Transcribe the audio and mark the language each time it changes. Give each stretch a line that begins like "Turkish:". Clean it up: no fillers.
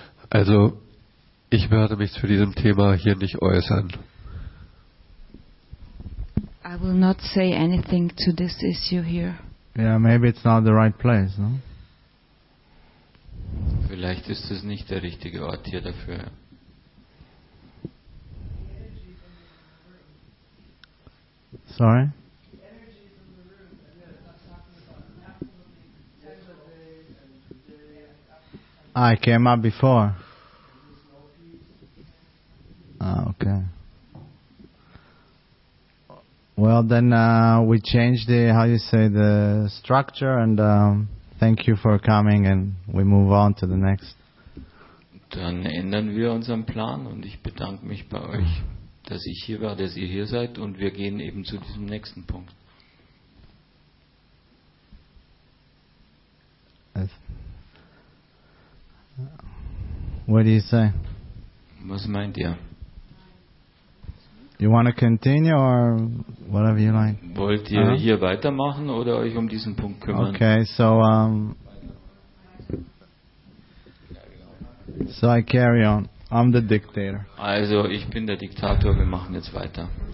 German: Also, ich werde mich zu diesem Thema hier nicht äußern.
English: I will not say anything to this issue here. Yeah, maybe it's not the right place, no?
German: Vielleicht ist es nicht der richtige Ort hier dafür.
English: Sorry? I came up before. Okay. Well, Well, then we changed the, how you say, the structure, and thank you for coming, and we move on to the next.
German: Dann ändern wir unseren Plan, und ich bedanke mich bei euch, dass ich hier war, dass ihr hier seid, und wir gehen eben zu diesem nächsten Punkt.
English: What do you say?
German: Was meint ihr?
English: You want to continue or whatever you like?
German: Wollt ihr hier weitermachen oder euch um diesen Punkt kümmern?
English: Okay, so so I carry on. I'm the dictator.
German: Also, ich bin der Diktator, wir machen jetzt weiter.